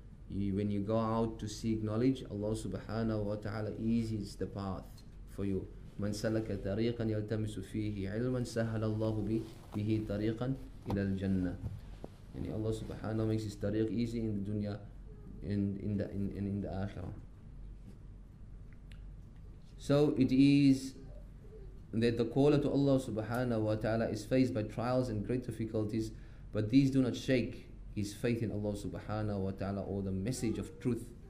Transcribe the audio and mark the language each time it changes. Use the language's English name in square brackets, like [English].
[English] When you go out to seek knowledge, Allah subhanahu wa ta'ala eases the path for you. [Arabic] من سلك طريقا يلتمس فيه علما سهل الله به طريقا إلى الجنة. [English] يعني Allah subhanahu makes his tariq easy in the dunya and in the akhirah. So it is that the caller to Allah subhanahu wa ta'ala is faced by trials and great difficulties, but these do not shake his faith in Allah subhanahu wa ta'ala or the message of truth.